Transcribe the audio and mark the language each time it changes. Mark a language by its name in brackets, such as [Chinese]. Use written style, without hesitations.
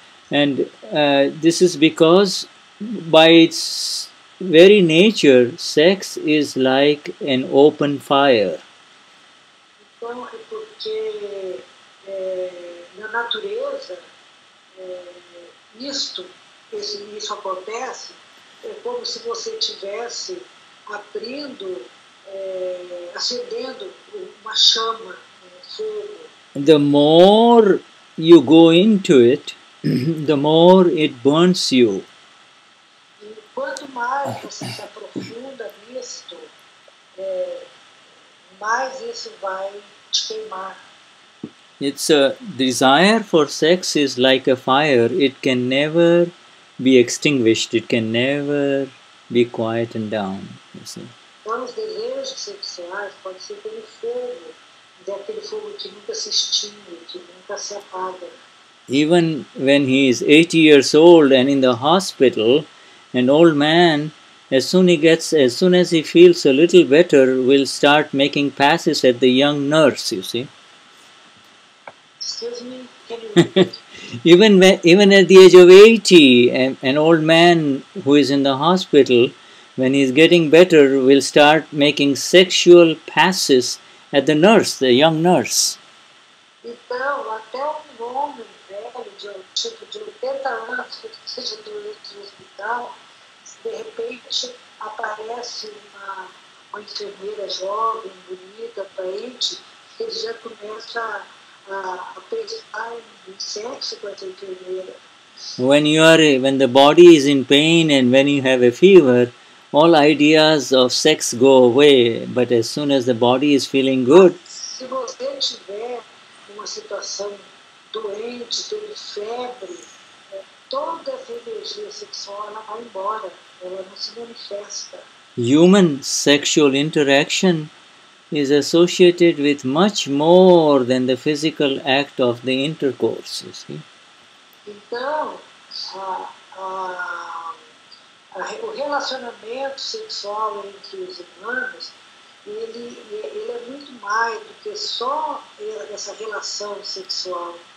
[English] And this is because by its very nature, sex is like an open fire. [Portuguese] Então, porque na natureza, isso acontece, é como se você estivesse abrindo, acendendo uma chama, fogo. [English] The more you go into it, the more it burns you. [Portuguese] E quanto mais você se aprofunda nisto, mais isso vai te queimar. [English] It's a desire for sex is like a fire. It can never be extinguished. It can never be quietened down. You see. [Portuguese] Quando os desejos sexuais podem ser como fogo. É aquele fogo que nunca se extingue, que nunca se apaga. [English] Even when he is 80 years old and in the hospital, an old man, as soon as he feels a little better, will start making passes at the young nurse, you see. Excuse me, can you even at the age of 80, an old man who is in the hospital, when he is getting better, will start making sexual passes at the nurse, the young nurse. [Portuguese] Então, até um homem velho, de tipo de 80 anos, que seja doente no hospital, de repente aparece uma enfermeira jovem, bonita, atraente, que ele já começa a pensar em sexo com essa enfermeira. [English] When the body is in pain and when you have a fever, all ideas of sex go away, but as soon as the body is feeling good, [Portuguese] se você tiver uma situação doente, tendo febre, toda a energia sexual vai embora, ela não se manifesta. [English] Human sexual interaction is associated with much more than the physical act of the intercourse, you see. [Portuguese] Então, o relacionamento sexual entre os humanos, ele é muito mais do que só essa relação sexual.